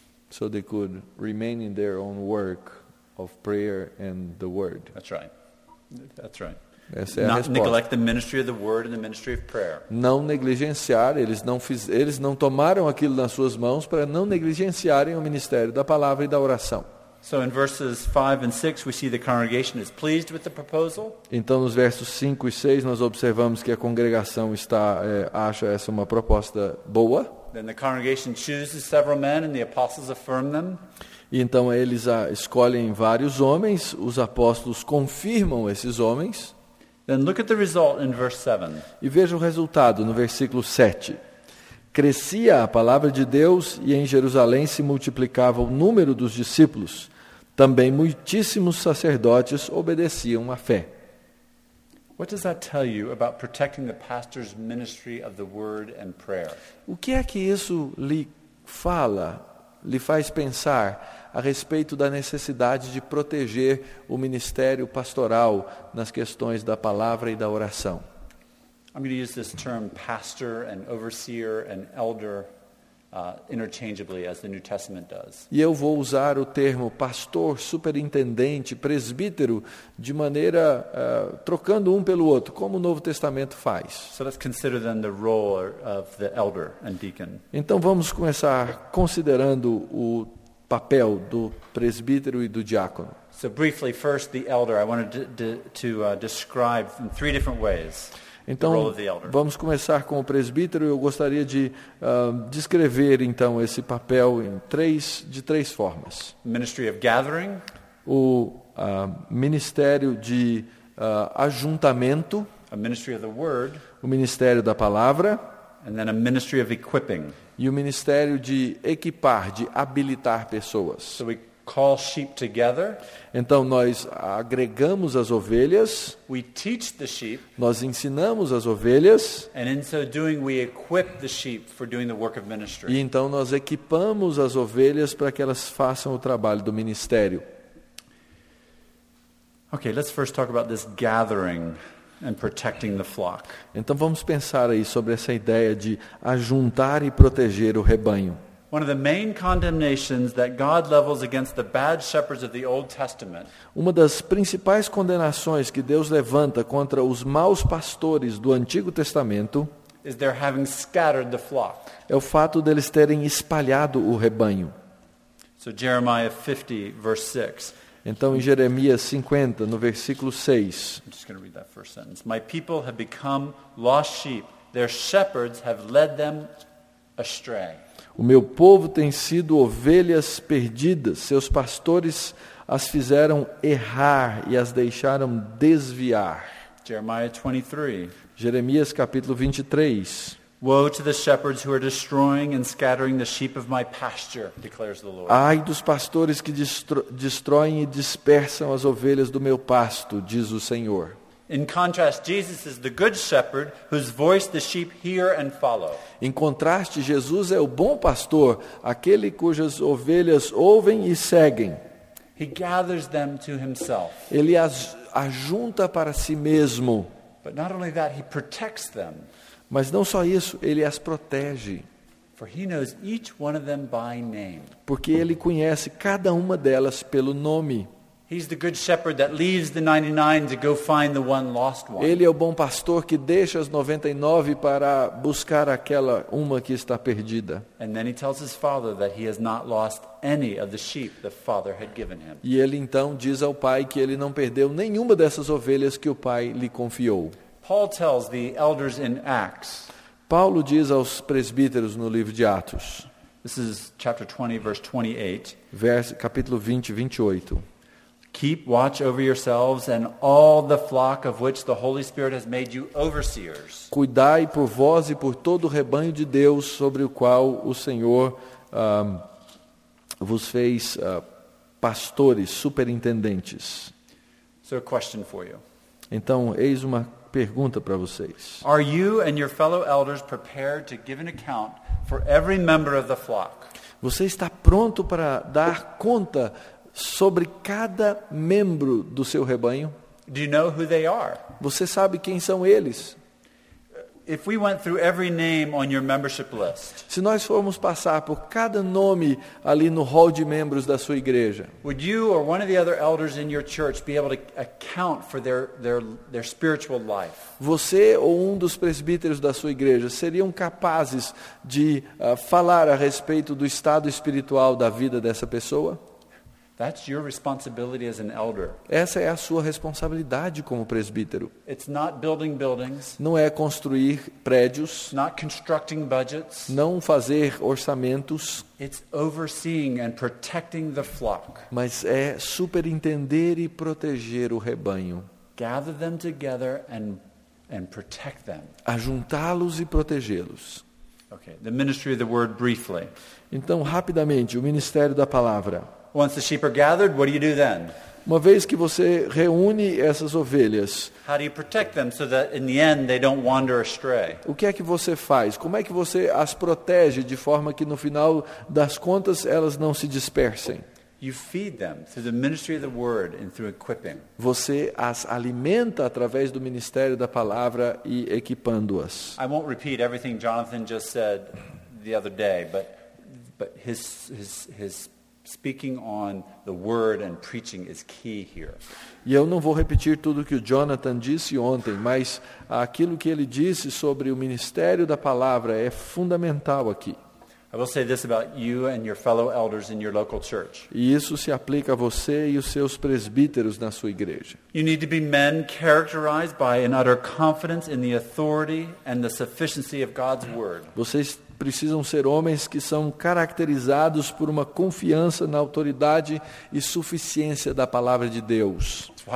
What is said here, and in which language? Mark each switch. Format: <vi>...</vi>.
<en>So they could remain in their own work of prayer and the word. That's right.</en> <pt>Essa é a</pt> <en>Not</en> <pt>resposta.</pt> <en>Not neglect the ministry of the word and the ministry of prayer.</en> <pt>Não negligenciar, eles não tomaram aquilo nas suas mãos para não negligenciarem o ministério da palavra e da oração.</pt> <en>So in verses 5 and 6 we see the congregation is pleased with the proposal.</en> <pt>Então nos versos 5 e 6 nós observamos que a congregação está acha essa uma proposta boa.</pt> <en>Then the congregation chooses several men and the apostles affirm them.</en> <pt>E então eles escolhem vários homens, os apóstolos confirmam esses homens.</pt> <en>Then look at the result in verse 7.</en> <pt>E veja o resultado no versículo 7. Crescia a palavra de Deus e em Jerusalém se multiplicava o número dos discípulos. Também muitíssimos sacerdotes obedeciam à fé.</pt> <en>What does that tell you about protecting the pastor's ministry of the word and prayer?</en> <pt>O que é que isso lhe fala, lhe faz pensar a respeito da necessidade de proteger o ministério pastoral nas questões da palavra e da oração?</pt> <en>I'm going to use this term pastor and overseer and elder interchangeably as the New Testament does.</en> <pt>E eu vou usar o termo pastor, superintendente, presbítero de maneira trocando um pelo outro, como o Novo Testamento faz.</pt> <en>So let's consider then the role of the elder and deacon.</en> <pt>Então vamos começar considerando o papel do presbítero e do diácono.</pt> <en>So briefly, first the elder. I wanted to describe in three different ways.</en> <pt>Então, vamos começar com o presbítero. Eu gostaria de descrever, então, esse papel em três formas.</pt> <en>Ministry of gathering.</en> <pt>o ministério de ajuntamento,</pt> <en>a ministry of the word,</en> <pt>o ministério da palavra,</pt> <en>and then a ministry of equipping.</en> <pt>E o ministério de equipar, de habilitar pessoas.</pt> <en>So we call sheep together.</en> <pt>Então nós agregamos as ovelhas.</pt> <en>We teach the sheep.</en> <pt>Nós ensinamos as ovelhas.</pt> <en>And in so doing we equip the sheep for doing the work of ministry.</en> <pt>E então nós equipamos as ovelhas para que elas façam o trabalho do ministério.</pt> <en>Okay, let's first talk about this gathering and protecting the flock.</en> <pt>Então vamos pensar aí sobre essa ideia de ajuntar e proteger o rebanho.</pt> <en>One of the main condemnations that God levels against the bad shepherds of the Old Testament.</en> <pt>Uma das principais condenações que Deus levanta contra os maus pastores do Antigo Testamento</pt> <en>is their having scattered the flock.</en> <pt>É o fato deles terem espalhado o rebanho.</pt> <en>So Jeremiah 50 verse 6.</en> <pt>Então, em Jeremias 50, no versículo 6.</pt> <en>I'm just going to read that first sentence. My people have become lost sheep. Their shepherds have led them astray.</en> <pt>O meu povo tem sido ovelhas perdidas. Seus pastores as fizeram errar e as deixaram desviar.</pt> <en>Jeremiah 23.</en> <pt>Jeremias capítulo 23.</pt> <en>Woe to the shepherds who are destroying and scattering the sheep of my pasture, declares the Lord.</en> <pt>Ai dos pastores que destroem e dispersam as ovelhas do meu pasto, diz o Senhor.</pt> <en>In contrast, Jesus is the good shepherd whose voice the sheep hear and follow.</en> <pt>Em contraste, Jesus é o bom pastor, aquele cujas ovelhas ouvem e seguem.</pt> <en>He gathers them to himself.</en> <pt>Ele as ajunta para si mesmo.</pt> <en>But not only that, he protects them.</en> <pt>Mas não só isso, ele as protege.</pt> <en>For he knows each one of them by name.</en> <pt>Porque ele conhece cada uma delas pelo nome.</pt> <en>He's the good shepherd that leaves the 99 to go find the one lost one.</en> <pt>Ele é o bom pastor que deixa as 99 para buscar aquela uma que está perdida.</pt> <en>And then he tells his father that he has not lost any of the sheep the father had given him.</en> <pt>E ele então diz ao pai que ele não perdeu nenhuma dessas ovelhas que o pai lhe confiou.</pt> <en>Paul tells the elders in Acts.</en> <pt>Paulo diz aos presbíteros no livro de Atos.</pt> <en>This is chapter 20, verse 28.</en> <pt>Capítulo 20, 28.</pt> <en>Keep watch over yourselves and all the flock of which the Holy Spirit has made you overseers.</en> <pt>Cuidai por vós e por todo o rebanho de Deus sobre o qual o Senhor vos fez pastores, superintendentes.</pt> <en>So a question for you.</en> <pt>Então, eis uma pergunta para vocês.</pt> <en>Are you and your fellow elders prepared to give an account for every member of the flock?</en> <pt>Você está pronto para dar conta sobre cada membro do seu rebanho?</pt> <en>Do you know who they are?</en> <pt>Você sabe quem são eles?</pt> <en>If we went through every name on your membership list,</en> <pt>se nós formos passar por cada nome ali no hall de membros da sua igreja,</pt> <en>would you or one of the other elders in your church be able to account for their spiritual life?</en> <pt>Você ou um dos presbíteros da sua igreja seriam capazes de falar a respeito do estado espiritual da vida dessa pessoa?</pt> <en>That's your responsibility as an elder.</en> <pt>Essa é a sua responsabilidade como presbítero.</pt> <en>It's not building buildings.</en> <pt>Não é construir prédios.</pt> <en>Not constructing budgets.</en> <pt>Não fazer orçamentos.</pt> <en>It's overseeing and protecting the flock.</en> <pt>Mas é superintender e proteger o rebanho.</pt> <en>Gather them together and protect them.</en> <pt>Ajuntá-los e protegê-los.</pt> <en>Okay, the ministry of the word briefly.</en> <pt>Então, rapidamente, o ministério da palavra.</pt> <en>Once the sheep are gathered, what do you do then?</en> <pt>Uma vez que você reúne essas ovelhas,</pt> <en>how do you protect them so that in the end they don't wander astray?</en> <pt>O que é que você faz? Como é que você as protege de forma que no final das contas elas não se dispersem?</pt> <en>You feed them through the ministry of the word and through equipping.</en> <pt>Você as alimenta através do ministério da palavra e equipando-as.</pt> <en>I won't repeat everything Jonathan just said the other day, but his speaking on the word and preaching is key here.</en> <pt>E eu não vou repetir tudo que o Jonathan disse ontem, mas aquilo que ele disse sobre o ministério da palavra é fundamental aqui.</pt> <en>I will say this about you and your fellow elders in your local church.</en> <pt>E isso se aplica a você e os seus presbíteros na sua igreja.</pt> <en>You need to be men characterized by an utter confidence in the authority and the sufficiency of God's word.</en> <pt>Vocês precisam ser homens que são caracterizados por uma confiança na autoridade e suficiência da palavra de Deus.</pt>